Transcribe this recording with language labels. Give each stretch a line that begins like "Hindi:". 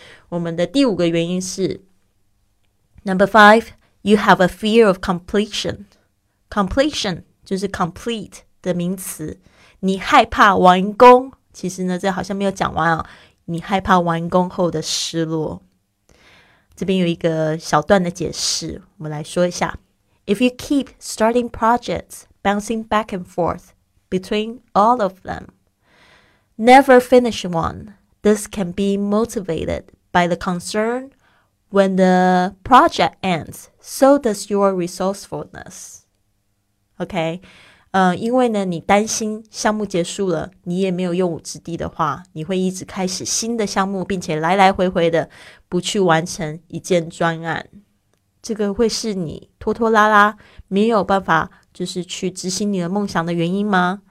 Chinese: 我们的第五个原因是
English: Number five， You have a fear of completion。
Chinese: Completion 就是 complete 的名词，你害怕完工。其实呢，这好像没有讲完哦。你害怕完工后的失落。这边有一个小段的解释，我们来说一下。
English: If you keep starting projects, bouncing back and forth between all of them, never finish one, this can be motivated by the concern when the project ends, so does your resourcefulness. Okay?
Chinese: 因为呢你担心项目结束了你也没有用武之地的话，你会一直开始新的项目，并且来来回回的不去完成一件专案，这个会是你拖拖拉拉没有办法就是去执行你的梦想的原因吗？